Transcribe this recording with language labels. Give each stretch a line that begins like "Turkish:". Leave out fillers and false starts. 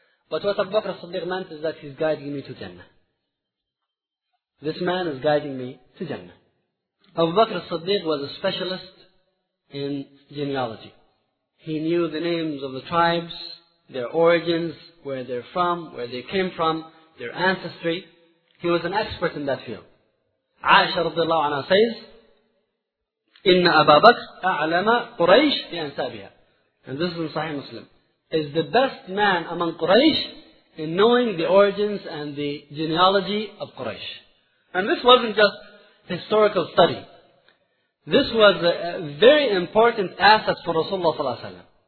English: But what Abu Bakr al-Siddiq meant is that he's guiding me to Jannah. This man is guiding me to Jannah. Abu Bakr al-Siddiq was a specialist in genealogy. He knew the names of the tribes, their origins, where they're from, where they came from, their ancestry. He was an expert in that field. Aisha radiallahu anha says,
Arabic: إِنَّ أَبَا بَكْرَ أَعْلَمَ قُرَيْشِ بِأَنْسَابِهَا.
English: And this is in Sahih Muslim. Is the best man among Quraysh in knowing the origins and the genealogy of Quraysh. And this wasn't just historical study. This was a very important asset for Rasulullah ﷺ.